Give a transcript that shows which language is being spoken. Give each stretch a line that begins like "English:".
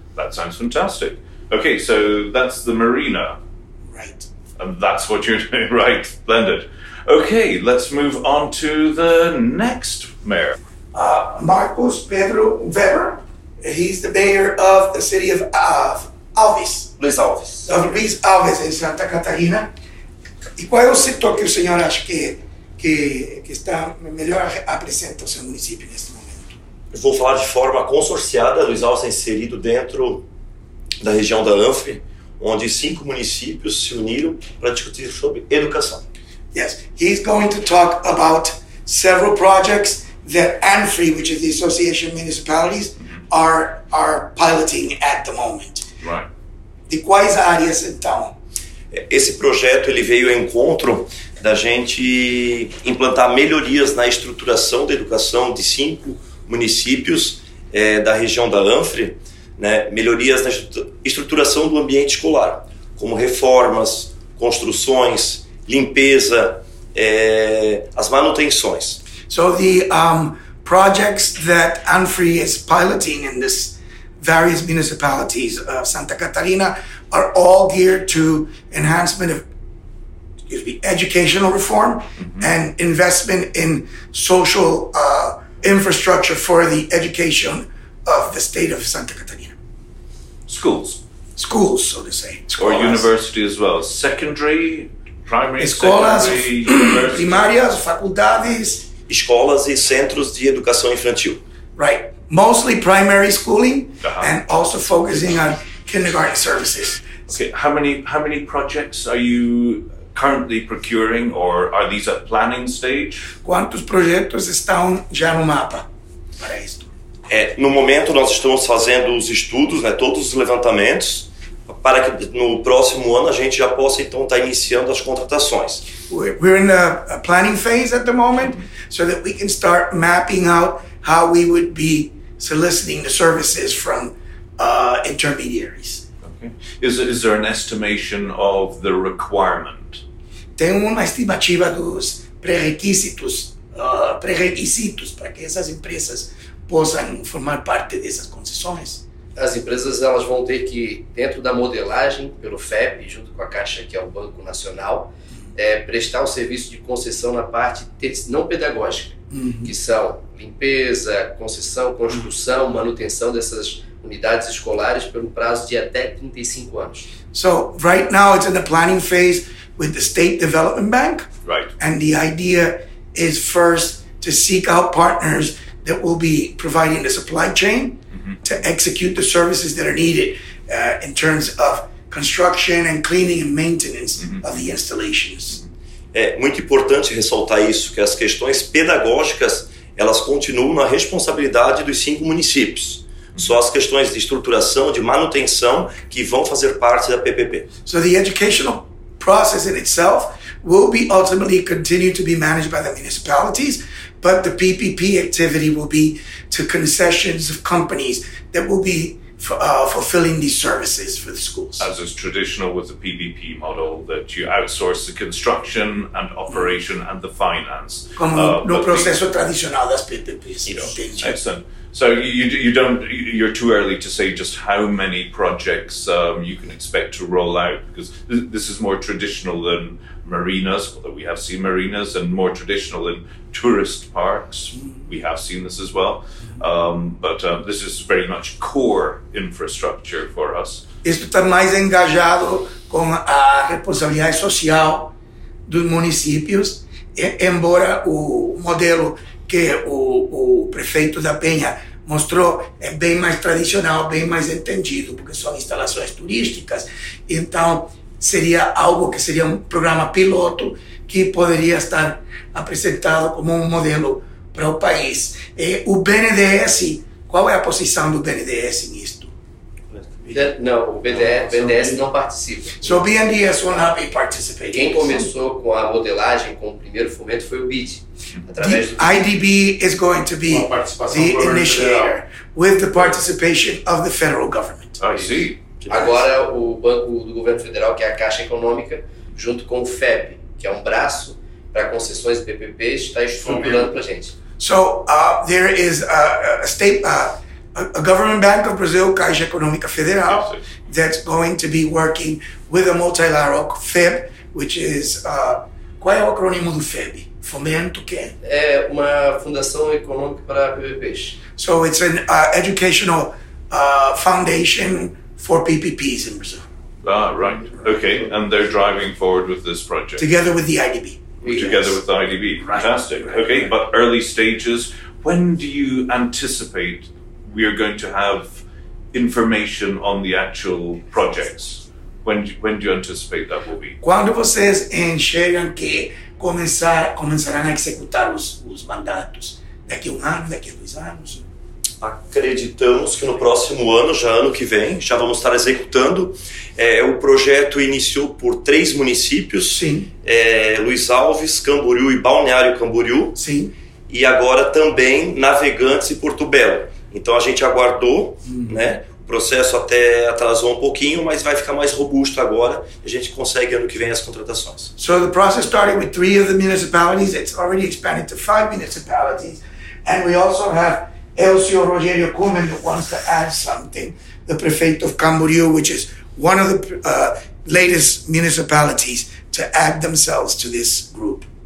English: That sounds fantastic. Okay, so that's the marina. Right. And that's what you're doing, right? Blended. Okay, let's move on to the next mayor. Marcos Pedro Veber, he's the mayor of the city of Alves. Luiz Alves. Of Luiz Alves, in Santa Catarina.
Portuguese: E qual é o setor que o senhor acha que está melhor apresenta o seu município neste momento? Eu vou falar de forma consorciada. Luiz Alves é inserido dentro da região da AMFRI, onde 5 municípios se uniram para discutir sobre educação.
English: Yes, he's going to talk about several projects that ANFRI, which is the Association of Municipalities, are piloting at the moment. Right.
Portuguese: De quais áreas, então? Esse projeto ele veio ao encontro da gente implantar melhorias na estruturação da educação de 5 municípios da região da ANFRI, né? Melhorias na estruturação do ambiente escolar, como reformas, construções, limpeza, as manutenções.
English: So the projects that ANFRI is piloting in this various municipalities of Santa Catarina are all geared to enhancement of educational reform and investment in social infrastructure for the education of the state of Santa Catarina. Schools. Schools, so to say. Escolas. Or university as well. Secondary, primary,
Portuguese: escolas,
English: secondary,
Portuguese: primárias, faculdades. Escolas e centros de educação infantil.
English: Right. Mostly primary schooling and also focusing on kindergarten services. Okay, how many projects are you currently procuring or are these at planning stage?
Portuguese: Quantos projetos estão já no mapa para isto? No momento nós estamos fazendo os estudos, né, todos os levantamentos, para que no próximo ano a gente já possa então estar iniciando as contratações.
English: We're in a planning phase at the moment, so that we can start mapping out how we would be soliciting the services from intermediaries. Okay. Is there an estimation of the requirement?
Portuguese: Tem uma estimativa dos pré-requisitos para que essas empresas possam formar parte dessas concessões. As empresas elas vão ter que, dentro da modelagem, pelo FEB, junto com a Caixa, que é o Banco Nacional, prestar o serviço de concessão na parte não pedagógica, que são limpeza, concessão, construção, manutenção dessas unidades escolares pelo prazo de até 35 anos.
English: So, right now it's in the planning phase with the State Development Bank. Right. And the idea is first to seek out partners that will be providing the supply chain to execute the services that are needed in terms of construction and cleaning and maintenance of the installations.
Portuguese: É muito importante ressaltar isso, que as questões pedagógicas, elas continuam na responsabilidade dos 5 municípios. Só as questões de estruturação, de manutenção, que vão fazer parte da PPP.
English: So the educational process in itself will be ultimately continue to be managed by the municipalities, but the PPP activity will be to concessions of companies that will be fulfilling these services for the schools. As is traditional with the PPP model, that you outsource the construction and operation and the finance.
Portuguese: Como no proceso tradicional das PPPs.
English: Excellent. So you're too early to say just how many projects you can expect to roll out, because this is more traditional than marinas, although we have seen marinas, and more traditional than tourist parks. We have seen this as well. But this is very much core infrastructure for us.
Portuguese: Isto está mais engajado com a responsabilidade social dos municípios, embora o modelo que o prefeito da Peňa mostrou é bem mais tradicional, bem mais entendido, porque são instalações turísticas. Então, seria algo que seria um programa piloto que poderia estar apresentado como um modelo para o país. E o BNDES, qual é a posição do BNDES nisto? Não, o BNDES não participa.
English: So BNDES won't participate.
Portuguese: Quem começou com a modelagem, com o primeiro fomento, foi o BID.
English: The IDB is going to be the initiator with the participation of the federal government. I see.
Portuguese: Agora o Banco do Governo Federal, que é a Caixa Econômica, junto com o FEP, que é um braço para concessões de PPP, está estruturando para a gente.
English: So, there is a government bank of Brazil, Caixa Econômica Federal, that's going to be working with a multilateral FEP, which is,
Portuguese: qual é o acrônimo do FEP? Fomento que? É uma fundação econômica para PPPs.
English: So it's an educational foundation for PPPs in Brazil. Ah, right. Okay, and they're driving forward with this project. Together with the IDB. Together with the IDB. Fantastic. Right. Okay, right. But early stages, when do you anticipate we are going to have information on the actual projects? When do you anticipate that will be?
Portuguese: Quando vocês enxergam que começarão a executar os mandatos? Daqui a ano, daqui a 2 anos? Acreditamos que no próximo ano, já ano que vem, já vamos estar executando. O projeto iniciou por 3 municípios. Sim. Luiz Alves, Camboriú e Balneário Camboriú. Sim. E agora também Navegantes e Porto Belo. Então a gente aguardou, né? O processo até atrasou um pouquinho, mas vai ficar mais robusto agora. A gente consegue ano que vem as contratações.
English: So the process started with 3 of the municipalities. It's already expanded to 5 municipalities. And we also have Elcio Rogério Kuhnen, who wants to add something. The prefect of Camboriú, which is one of the latest municipalities to add themselves to this group.